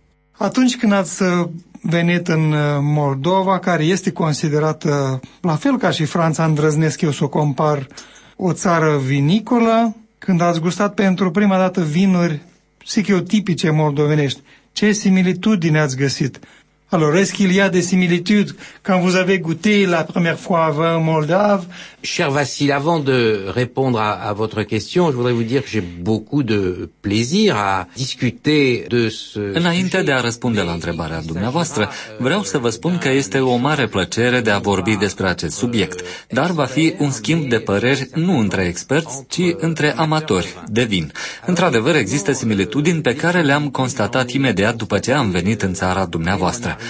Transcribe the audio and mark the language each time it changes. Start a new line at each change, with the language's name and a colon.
Romanian: Atunci când ați venit în Moldova, care este considerată la fel ca și Franța, îndrăznesc eu să o compar, o țară vinicolă, când ați gustat pentru prima dată vinuri, zic eu, tipice moldovenești, ce similitudine ați găsit?
French: Alors, est-ce qu'il y a des similitudes quand vous avez goûté la première fois vin moldave? Cher Vassil, avant de répondre à votre question, je voudrais vous dire que j'ai beaucoup de plaisir à discuter de ce
Romanian: Înainte de a răspunde la întrebarea dumneavoastră, vreau să vă spun că este o mare plăcere de a vorbi despre acest subiect, dar va fi un schimb de păreri nu între experți, ci între amatori de vin. Într-adevăr, există similitudini pe care le-am constatat imediat după ce am venit în țara dumneavoastră.